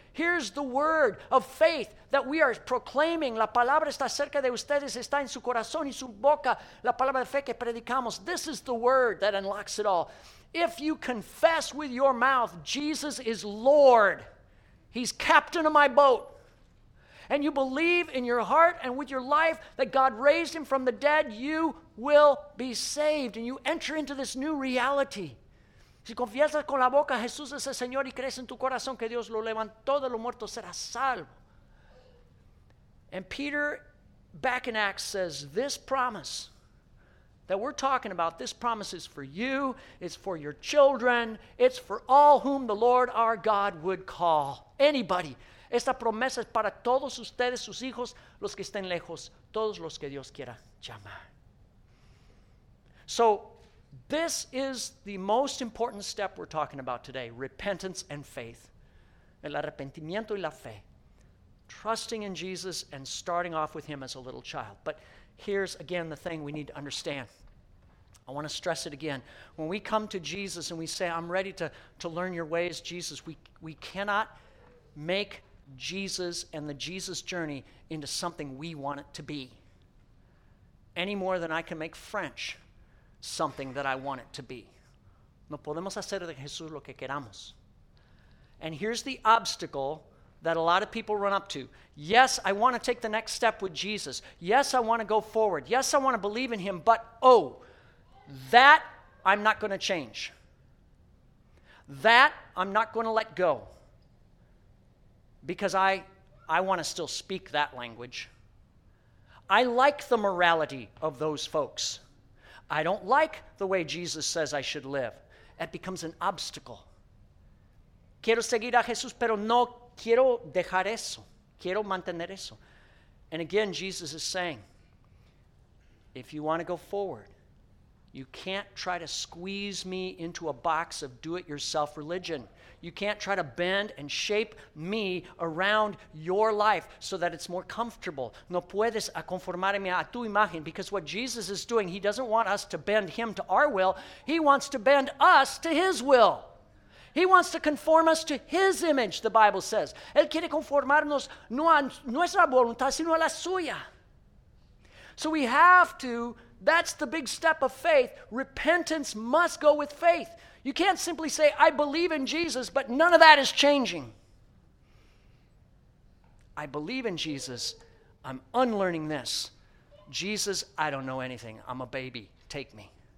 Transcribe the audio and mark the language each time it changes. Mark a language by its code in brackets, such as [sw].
[en] Here's the word of faith that we are proclaiming. [es] La palabra está cerca de ustedes, está en su corazón y su boca. La palabra de fe que predicamos. [en] This is the word that unlocks it all. If you confess with your mouth, Jesus is Lord, he's captain of my boat, and you believe in your heart and with your life that God raised him from the dead, you will be saved, and you enter into this new reality. [es] Si confiesas con la boca, Jesús es el Señor, y crees en tu corazón que Dios lo levantó de los muertos, serás salvo. [en] And Peter, back in Acts, says this promise that we're talking about, this promise is for you, it's for your children, it's for all whom the Lord our God would call. Anybody. [es] Esta promesa es para todos ustedes, sus hijos, los que estén lejos, todos los que Dios quiera llamar. [en] So, this is the most important step we're talking about today, repentance and faith. [es] El arrepentimiento y la fe. [en] Trusting in Jesus and starting off with him as a little child. But here's, again, the thing we need to understand. I want to stress it again. When we come to Jesus and we say, I'm ready to learn your ways, Jesus, we cannot make Jesus and the Jesus journey into something we want it to be any more than I can make French something that I want it to be. [es] No podemos hacer de Jesús lo que queramos. [en] And here's the obstacle that a lot of people run up to. Yes, I want to take the next step with Jesus. Yes, I want to go forward. Yes, I want to believe in him. But, oh, that I'm not going to change. That I'm not going to let go. Because I want to still speak that language. I like the morality of those folks. I don't like the way Jesus says I should live. It becomes an obstacle. [es] Quiero seguir a Jesús, pero no quiero dejar eso. Quiero mantener eso. [en] And again, Jesus is saying, if you want to go forward, you can't try to squeeze me into a box of do-it-yourself religion. You can't try to bend and shape me around your life so that it's more comfortable. [es] No puedes conformarme a tu imagen. [en] Because what Jesus is doing, he doesn't want us to bend him to our will. He wants to bend us to his will. He wants to conform us to his image, the Bible says. [es] Él quiere conformarnos no a nuestra voluntad, sino a la suya. [en] So we have to, that's the big step of faith. Repentance must go with faith. You can't simply say, I believe in Jesus, but none of that is changing. I believe in Jesus. I'm unlearning this. Jesus, I don't know anything. I'm a baby. Take me.